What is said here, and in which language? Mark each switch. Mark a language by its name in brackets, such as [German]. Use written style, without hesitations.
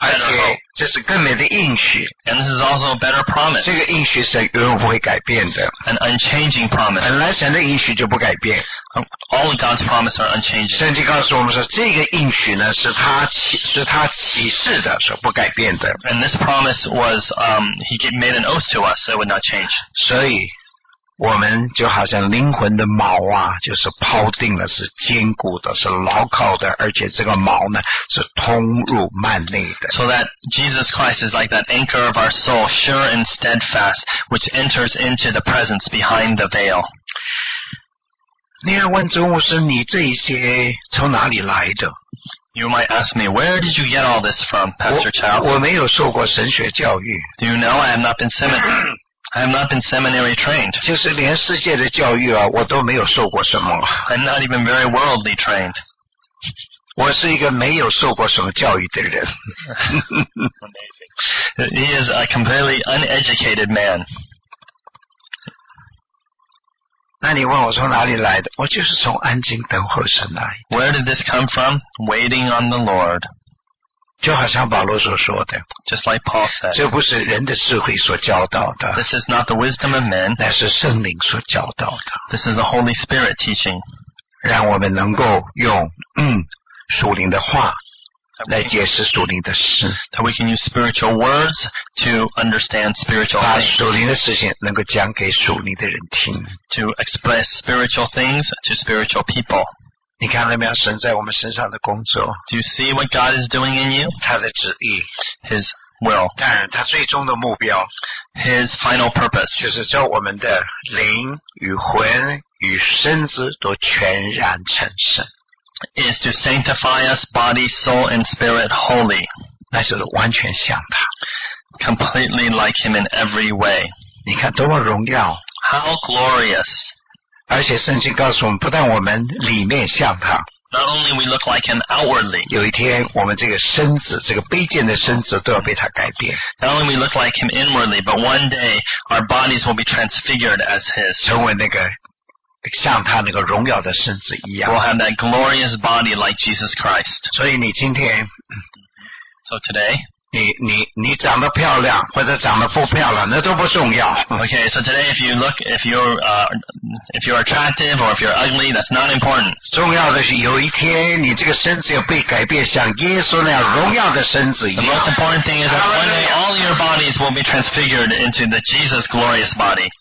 [Chinese] 而且这是更美的应许 [English] And this is also a better promise. [Chinese] 这个应许是永远不会改变的 [English] An unchanging promise. [Chinese] 本来神的应许就不改变 [English] All of God's promises are unchanging. [Chinese] 圣经告诉我们说这个应许呢是他启示的是不改变的 [English] And this promise was, he made an oath to us, so it would not change. [Chinese] 所以我们就好像灵魂的锚啊就是抛定了是坚固的是牢靠的而且这个锚呢是通入幔内的。 [English] So that Jesus Christ is like that anchor of our soul, sure and steadfast, which enters into the presence behind the veil. [Chinese] 你要问周牧师你这一些从哪里来的 [English] You might ask me, where did you get all this from, Pastor Chow? [Chinese] 我没有受过神学教育。 [English] Do you know I have not been seminary? I have not been seminary trained. [Chinese] 就是连世界的教育啊，我都没有受过什么。 [English] I'm not even very worldly trained. [Chinese] 我是一个没有受过什么教育的人。 [English] He is a completely uneducated man. [Chinese] 那你问我从哪里来的？我就是从安静等候神来。 [English] Where did this come from? Waiting on the Lord. [Chinese] 就好像保罗所说的 [English] Just like Paul said, [Chinese] 这不是人的智慧所教导的 [English] This is not the wisdom of men, [Chinese] 乃是圣灵所教导的 [English] This is the Holy Spirit teaching [Chinese] 让我们能够用属灵的话来解释属灵的事。 [English] That we can use spiritual words to understand spiritual things. [Chinese] 把属灵的事情能够讲给属灵的人听。 [English] To express spiritual things to spiritual people. [Chinese] 你看到没有神在我们身上的工作 [English] Do you see what God is doing in you? [Chinese] 他的旨意 [English] His will [Chinese] 当然他最终的目标 [English] His final purpose [Chinese] 就是叫我们的灵与魂与身子都全然成圣 [English] Is to sanctify us body, soul, and spirit wholly [Chinese] 那就是完全像他 [English] Completely like him in every way [Chinese] 你看多么荣耀 [English] How glorious [Chinese] 而且圣经告诉我们，不但我们里面像他 [English] ，Not only we look like him outwardly， [Chinese] 有一天我们这个身子，这个卑贱的身子都要被他改变。 [English] Not only we look like him inwardly， but one day our bodies will be transfigured as his， [Chinese] 成为那个像他那个荣耀的身子一样。 [English] We'll have that glorious body like Jesus Christ。 [Chinese] 所以你今天 [English] ，So today。 [Chinese] 你长得漂亮或者长得不漂亮那都不重要 [English] Okay, so today if you look if you're attractive or if you're ugly that's not important [Chinese] 重要的是有一天你这个身子要被改变像耶稣那样荣耀的身子一样 [English] The most important thing is that one day all your bodies will be transfigured into the Jesus glorious body